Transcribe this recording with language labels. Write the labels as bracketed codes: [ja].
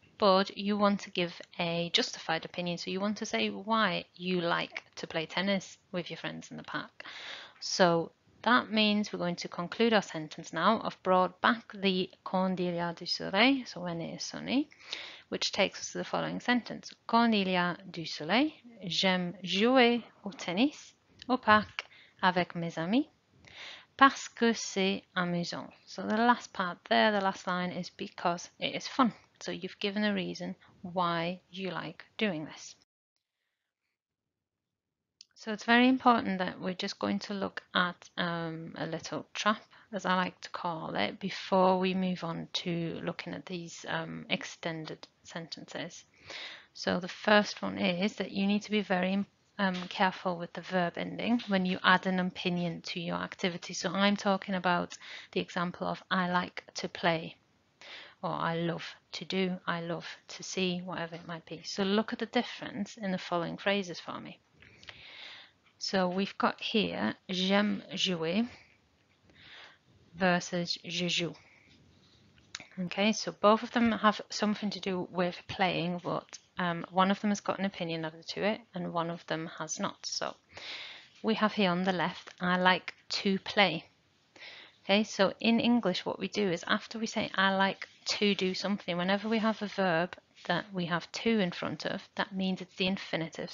[en] But you want to give a justified opinion, so you want to say why you like to play tennis with your friends in the park. So that means we're going to conclude our sentence now. I've brought back the [fr] quand il y a du soleil, [en] so when it is sunny, which takes us to the following sentence. [fr] Quand il y a du soleil, j'aime jouer au tennis au parc avec mes amis. Parce que c'est amusant. [en] So the last part there, the last line, is because it is fun. So you've given a reason why you like doing this. So it's very important that we're just going to look at a little trap, as I like to call it, before we move on to looking at these extended sentences. So the first one is that you need to be very careful with the verb ending when you add an opinion to your activity. So I'm talking about the example of I like to play, or I love to do, I love to see, whatever it might be. So look at the difference in the following phrases for me. So we've got here [fr] j'aime jouer [en] versus [fr] je joue. [en] Okay, so both of them have something to do with playing, but one of them has got an opinion of the two it and one of them has not. So we have here on the left, I like to play. Okay, so in English, what we do is after we say I like to do something, whenever we have a verb that we have to in front of, that means it's the infinitive.